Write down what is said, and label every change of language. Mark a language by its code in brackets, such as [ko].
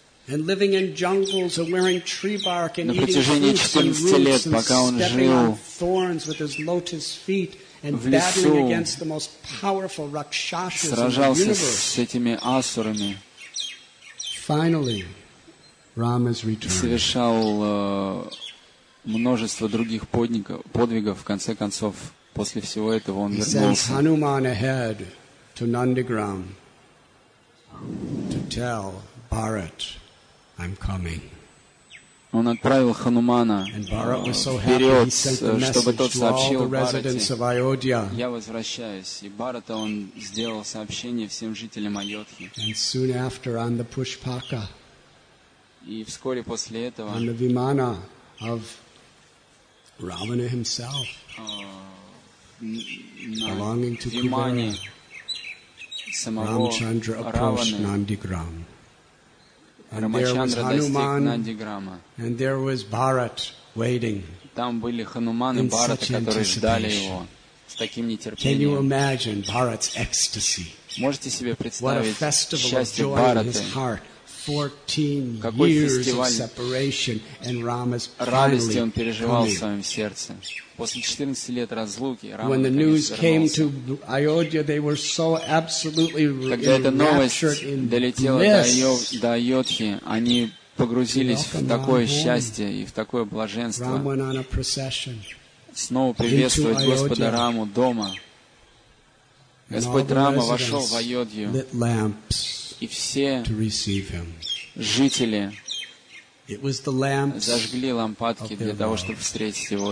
[en] And living in jungles and wearing tree bark and eating fruits and roots and stepping on thorns with his lotus feet and battling against the most powerful rakshasas in the universe. Finally, Ram has returned. [ru] Совершал множество других подвигов. В конце концов, после всего этого он вернулся. [en] He sends Hanuman ahead to Nandigram to tell Bharat. I'm coming. [ru] Он отправил Ханумана вперед, чтобы тот сообщил Бхарате. Я возвращаюсь. И Бхарата он сделал сообщение всем жителям Айодхи. [en] And soon after, on the Pushpaka, [ru] и вскоре после этого, [en] on the Vimana of Ravana himself, belonging to Kuvera, [ru] самого Рамчандра [en] approached Nandigram. And there was Hanuman, Nandigrama. And there was Bharat waiting. [ru] Там были Хануман и Бхарат, которые ждали его с таким нетерпением. [en] Can you imagine Bharat's ecstasy? [ru] Можете себе представить счастье Бхарата? [en] 14 years of separation and Rama's finally [ru] он переживал в своем сердце. После 14 лет разлуки Рама. [en] When the news came to Ayodhya, they were so absolutely enraptured in bliss. [ru] Они погрузились в такое счастье и в такое блаженство. [en] Ram went on a procession. [ru] Снова приветствовать Господа Раму дома. Господь Рама вошел в Айодхью. [en] Lit lamps. [ru] И все жители зажгли лампадки для того, чтобы встретить его.